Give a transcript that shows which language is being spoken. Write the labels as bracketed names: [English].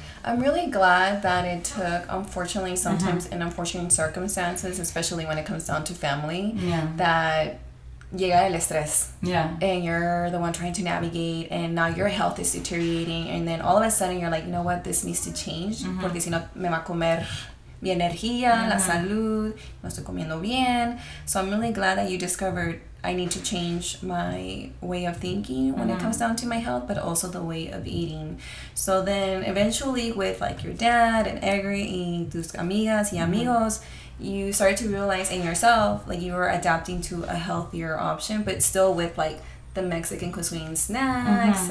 [English] I'm really glad that it took, unfortunately, sometimes mm-hmm. in unfortunate circumstances, especially when it comes down to family, yeah. [Spanish] that llega el estrés. [English] Yeah. And you're the one trying to navigate, and now your health is deteriorating, and then all of a sudden you're like, you know what, this needs to change, mm-hmm. [Spanish] porque si no me va a comer mi energía, mm-hmm. la salud, no estoy comiendo bien. [English] So I'm really glad that you discovered I need to change my way of thinking when mm-hmm. it comes down to my health, but also the way of eating. So then eventually with like your dad and Egri and [Spanish] tus amigas y amigos, [English] mm-hmm. you started to realize in yourself, like you were adapting to a healthier option, but still with like the Mexican cuisine snacks mm-hmm.